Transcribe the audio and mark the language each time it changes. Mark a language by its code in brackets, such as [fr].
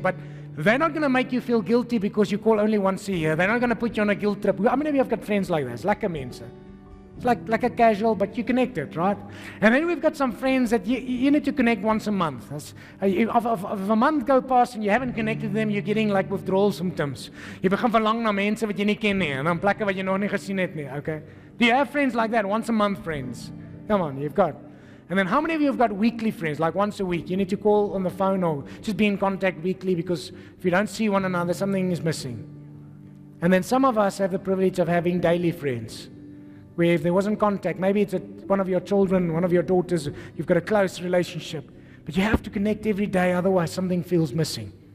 [en] But they're not going to make you feel guilty because you call only once a year. They're not going to put you on a guilt trip. How many of you have got friends like this? [af] Lekker mense. [en] like a casual, but you connect it, right? And then we've got some friends that you need to connect once a month. If a month go past and you haven't connected them, you're getting like withdrawal symptoms. You become [af] verlang na mense wat jy nie ken nie, en dan plekke wat jy nog nie gesien het nie, okay? [en] Do you have friends like that, once a month friends? Come on, you've got. And then how many of you have got weekly friends, like once a week? You need to call on the phone or just be in contact weekly, because if you don't see one another, something is missing. And then some of us have the privilege of having daily friends, where if there wasn't contact, maybe it's one of your children, one of your daughters, you've got a close relationship, but you have to connect every day, otherwise something feels missing.